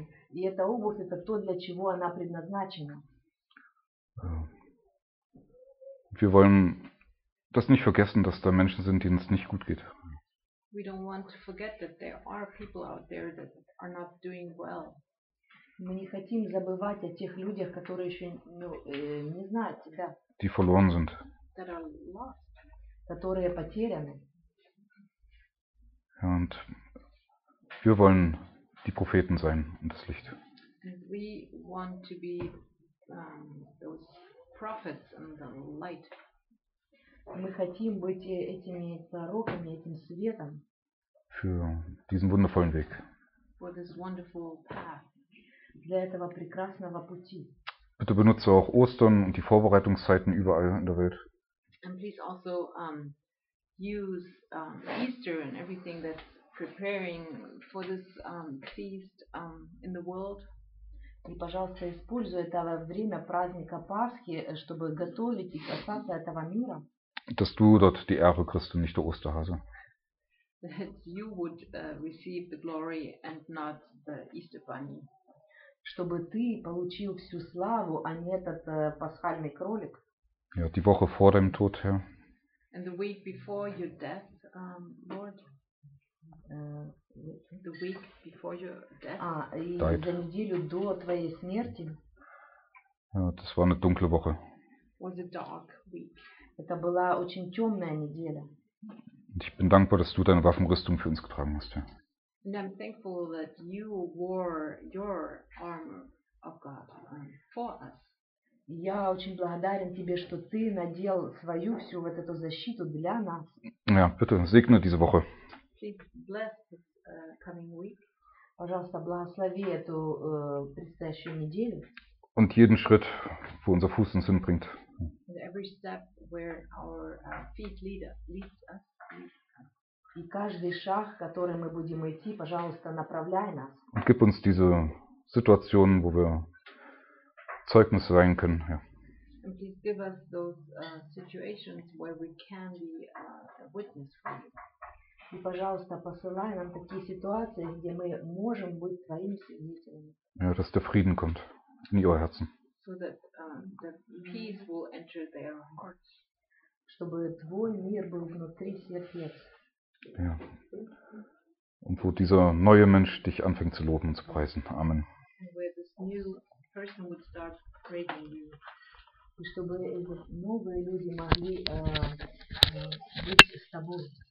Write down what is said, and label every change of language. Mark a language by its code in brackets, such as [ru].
[ru] И эта обувь это то для чего она предназначена. [de] Wir wollen das nicht vergessen, dass da Menschen sind, denen es nicht gut geht. [en] We don't want to forget that there are people out there that are not doing well. [ru] Мы не хотим забывать о тех людях, которые еще не знают тебя. [de] Die verloren sind. [en] That are lost. [ru] Которые потеряны. [de] Und wir wollen die Propheten sein und das Licht. [en] And we want to be those prophets and the light. [ru] Мы хотим быть этими пророками, этим светом. [de] Für diesen wundervollen Weg. [en] For this wonderful path. [ru] Для этого прекрасного пути. [de] Bitte benutze auch Ostern und die Vorbereitungszeiten überall in der Welt. [en] And please also use Easter and everything that's preparing for this feast in the world. [ru] И, пожалуйста, используй это время праздника Пасхи, чтобы готовить и касаться этого мира. [de] Dass du dort die Ehre kriegst und nicht der Osterhase. [en] That you would receive the glory and not the Easter bunny. [ru] Чтобы ты получил всю славу, а не этот пасхальный кролик. [de] Ja, die Woche vor deinem Tod, Herr. [en] And the week before your death, Lord. The week before your death. Died. [ru] За неделю до твоей смерти. [de] Ja, das war eine dunkle Woche. [en] Was a dark week. [ru] Это была очень темная неделя. [de] Ich bin dankbar, dass du deine Waffenrüstung für uns getragen hast, Herr. [en] And I'm thankful that you wore your armor of God for us. [ru] Я очень благодарен тебе, что ты надел свою всю вот эту защиту для нас. [de] Ja, bitte, segne diese Woche. [en] Please bless this coming week. [ru] Пожалуйста, благослови эту предстоящую неделю. [de] Und jeden Schritt, wo unser Fuß uns hinbringt. [en] And every step where our feet leads us. [ru] И каждый шаг, который мы будем идти, пожалуйста, направляй нас. [de] Und gib uns diese Situation, wo wir Zeugnis sein können. Ja. [en] And please give us those situations where we can be a witness for you. [ru] И, пожалуйста, посылай нам такие ситуации, где мы можем быть твоим свидетелем. [de] Ja, dass der Frieden kommt in ihre Herzen. [en] So that the peace will enter their hearts. [ru] Чтобы твой мир был внутри сердец. [de] Ja. Und wo dieser neue Mensch dich anfängt zu loben und zu preisen. Amen. [en] Where this new person would start praising you. [ru] И чтобы эти новые люди могли быть с тобой.